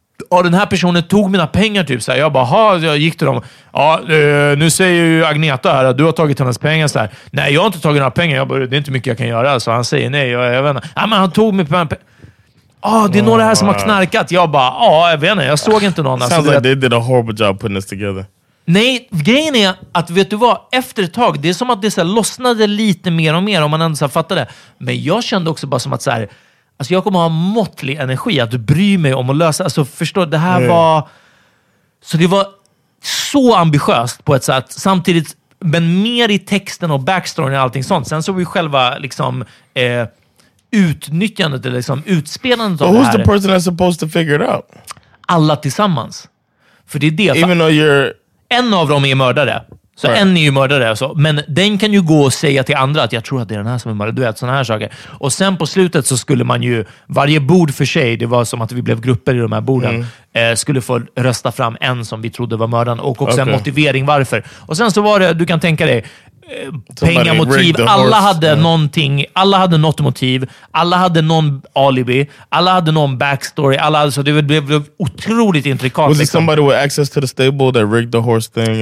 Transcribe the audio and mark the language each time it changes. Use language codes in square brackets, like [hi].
[sv] Ja, den här personen tog mina pengar typ så här. Jag bara, ha, jag gick till dem. Ja, nu säger ju Agneta här att du har tagit hennes pengar så här. Nej, jag har inte tagit några pengar. Jag bara, det är inte mycket jag kan göra. Så han säger nej, jag vet inte. Ja, men han tog mig pengar. Ja, det är några här som har knarkat. Jag bara, ja, jag vet inte. Jag såg inte någon. [en] Sounds [sv] alltså, [en] like they did a horrible job putting this together. [sv] Nej, grejen är att, vet du vad? Efter ett tag, det är som att det så här lossnade lite mer och mer om man ändå så fattade. Men jag kände också bara som att så här... Alltså jag kommer ha måttlig energi att bry mig om att lösa. Alltså förstå, det här var... Så det var så ambitiöst på ett sätt. Samtidigt, men mer i texten och backstoryn och allting sånt. Sen så var ju själva liksom utnyttjandet eller liksom utspelandet av det här. [en] Who's the person that's supposed to figure it out? [sv] Alla tillsammans. För det är det. [en] Even though you're... [sv] En av dem är mördare. Så [en] right. [sv] En är ju mördare alltså. Men den kan ju gå och säga till andra att jag tror att det är den här som är mördare. Du vet, sådana här saker. Och sen på slutet så skulle man ju, varje bord för sig, det var som att vi blev grupper i de här borden, skulle få rösta fram en som vi trodde var mördaren. Och också en motivering varför. Och sen så var det, du kan tänka dig, pengar, motiv. Alla hade någonting, alla hade något motiv. Alla hade någon alibi. Alla hade någon backstory. Alla hade, så det blev otroligt intrikat. [en] Was it [sv] liksom. [en] Somebody with access to the stable that rigged the horse thing?